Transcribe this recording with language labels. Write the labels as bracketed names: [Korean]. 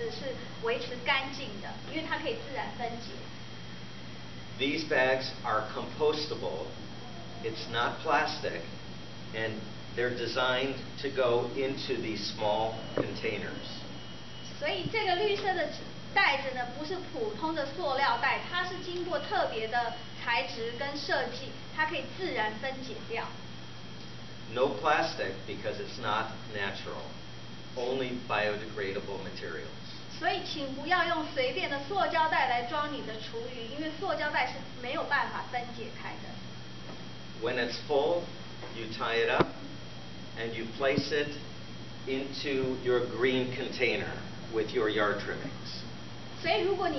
[Chinese] 那还有这种特殊的绿色的纸，这个袋子呢，它是经过设计，它也可以帮助你这个回收桶子是维持干净的，因为它可以自然分解。 [English] These bags are compostable. It's not plastic, and they're designed to go into these small containers. [Chinese] 所以这个绿色的袋子呢，不是普通的塑料袋，它是经过特别的材质跟设计，它可以自然分解掉。 [English] No plastic because it's not natural, only biodegradable materials. [Chinese] 所以请不要用随便的塑胶袋来装你的厨余，因为塑胶袋是没有办法分解开的。 [English] When it's full, you tie it up, and you place it into your green container with your yard trimmings.